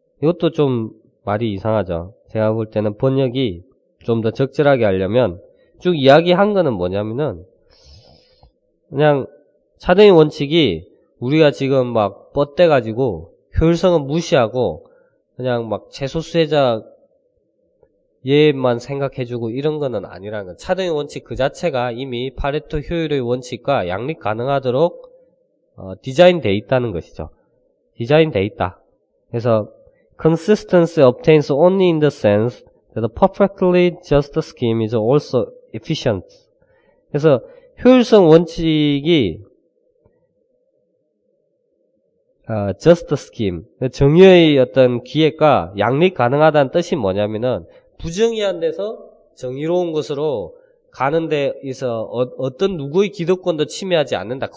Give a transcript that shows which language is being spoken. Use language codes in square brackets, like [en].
[ko] 이것도 좀 말이 이상하죠. 제가 볼 때는 번역이 좀 더 적절하게 하려면 쭉 이야기한 거는 뭐냐면은 그냥 차등의 원칙이 우리가 지금 막 뻗대가지고 효율성은 무시하고 그냥 막 최소수혜자 얘만 생각해주고 이런 거는 아니라는 거. 차등의 원칙 그 자체가 이미 파레토 효율의 원칙과 양립 가능하도록 디자인돼 있다는 것이죠. 디자인돼 있다. 그래서 [en] consistency obtains only in the sense that a perfectly just scheme is also efficient. [ko] 그래서 효율성 원칙이 [en] just scheme, [ko] 정의의 어떤 기획과 양립 가능하다는 뜻이 뭐냐면은 부정의한 데서 정의로운 것으로 가는 데에서 어떤 누구의 기득권도 침해하지 않는다.